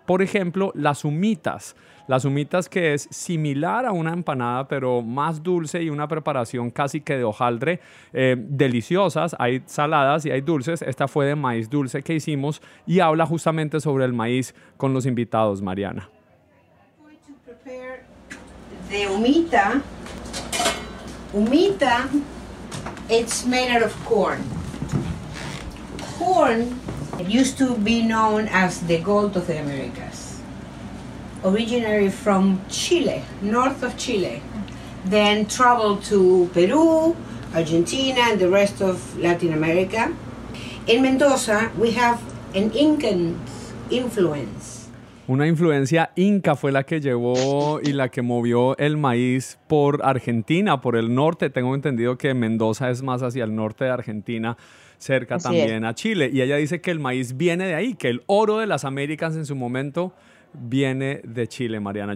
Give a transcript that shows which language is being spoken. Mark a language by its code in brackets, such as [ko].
[es] Por ejemplo, las humitas, que es similar a una empanada, pero más dulce y una preparación casi que de hojaldre, deliciosas. Hay saladas y hay dulces. Esta fue de maíz dulce que hicimos y habla justamente sobre el maíz con los invitados, Mariana. [en] I'm going to prepare the humita. It's made out of corn. Corn used to be known as the gold of the Americas. Originally from Chile, north of Chile. Then traveled to Peru, Argentina, and the rest of Latin America. In Mendoza, we have an Incan influence. [es] Una influencia inca fue la que llevó y la que movió el maíz por Argentina, por el norte. Tengo entendido que Mendoza es más hacia el norte de Argentina, cerca así también es. A Chile. Y ella dice que el maíz viene de ahí, que el oro de las Américas en su momento viene de Chile, Mariana.